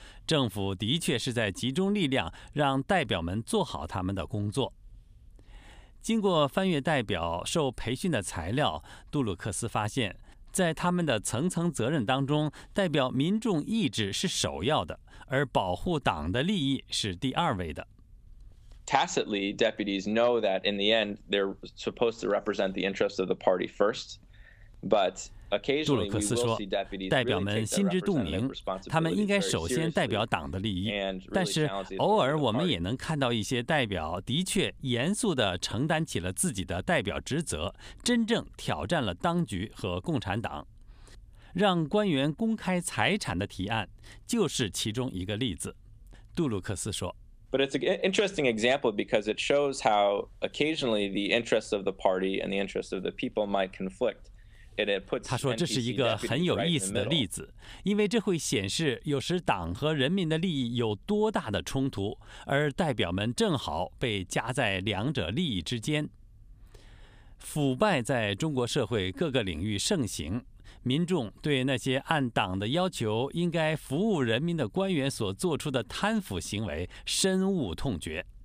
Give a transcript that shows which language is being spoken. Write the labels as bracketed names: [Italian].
[Chinese] 政府的确是在集中力量让代表们做好他们的工作。经过翻阅代表受培训的材料，杜鲁克斯发现，在他们的层层责任当中，代表民众意志是首要的，而保护党的利益是第二位的。 [English] Tacitly, deputies know that in the end they're supposed to represent the interests of the party first, but occasionally we will see deputies really take their responsibility very seriously. [Chinese] 他们应该首先代表党的利益，但是偶尔我们也能看到一些代表的确严肃地承担起了自己的代表职责，真正挑战了当局和共产党。让官员公开财产的提案就是其中一个例子，杜鲁克斯说。 [English] But it's an interesting example because it shows how occasionally the interests of the party and the interests of the people might conflict. And it puts [Chinese] 他说这是一个很有意思的例子，因为这会显示有时党和人民的利益有多大的冲突，而代表们正好被夹在两者利益之间。腐败在中国社会各个领域盛行，民众对那些按党的要求应该服务人民的官员所做出的贪腐行为深恶痛绝。